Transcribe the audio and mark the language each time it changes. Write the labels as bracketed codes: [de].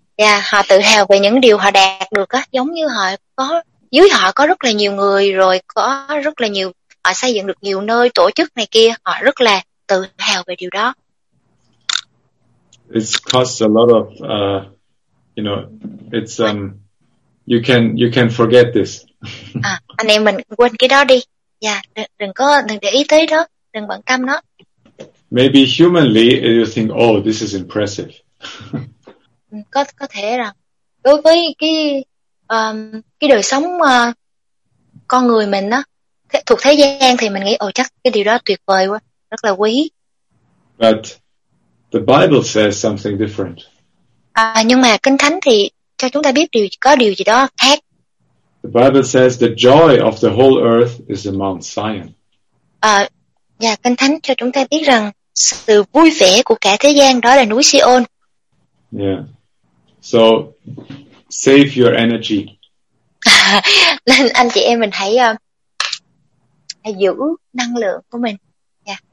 [vi] Yeah, họ tự hào về những điều họ đạt được á, giống như họ có dưới họ có rất là nhiều người rồi, có rất là nhiều, họ xây dựng được nhiều nơi tổ chức này kia, họ rất là tự hào về điều đó. [en] It costs a lot of, you can forget this. [vi] Anh em mình quên cái đó đi. Đừng để ý tới đó, đừng bận tâm nó. [en] Maybe humanly you think, oh, this is impressive. [vi] có thể rằng đối với cái đời sống con người mình đó, thuộc thế gian thì mình nghĩ, oh, chắc cái điều đó tuyệt vời quá, rất là quý. [en] But the Bible says something different. [vi] Nhưng mà Kinh Thánh thì cho chúng ta biết điều có điều gì đó khác. [en] The Bible says the joy of the whole earth is in Mount Zion. [vi] Và Kinh Thánh cho chúng ta biết rằng sự vui vẻ của cả thế gian đó là núi Si-ôn. [en] Yeah. So save your energy. [vi] Nên anh chị em mình hãy giữ năng lượng của mình. Yeah.